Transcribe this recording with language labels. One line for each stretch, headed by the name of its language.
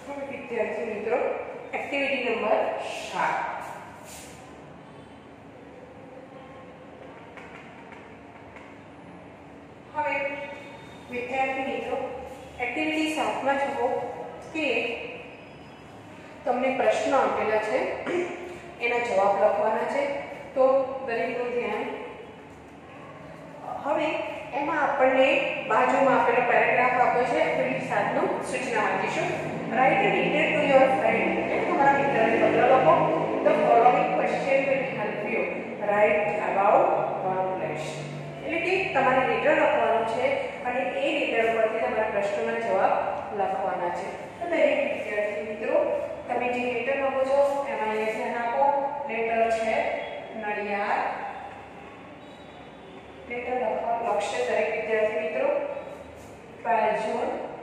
Gujarati: વિદ્યાર્થી મિત્રો activity number 7 હવે વિદ્યાર્થી મિત્રો એક્ટિવિટી 7 માં જુઓ કે તમને પ્રશ્ન આપેલા છે એના જવાબ લખવાના છે તો દરેકનું ધ્યાન હવે એમાં આપણને બાજુમાં આપેલો પેરેગ્રાફ આપ્યો છે એક્ટિવિટી 7 નું સૂચના વાંચીશું
English: Write a letter to your friend.
Gujarati: તમારા મિત્રને પત્ર લખો.
English: The following question will help you. Write about Bangladesh.
Gujarati: એટલે કે તમારે લેટર લખવાનું છે અને એ લેટર પરથી તમારા પ્રશ્નોના જવાબ લખવાના છે. તો દરેક વિદ્યાર્થી મિત્રો તમે જે લેટર લખો છો એમાં એ ધ્યાન આપો. લેટર છે નડિયાદ. લેટર લખવા લક્ષ્ય દરેક વિદ્યાર્થી મિત્રો 12 જૂન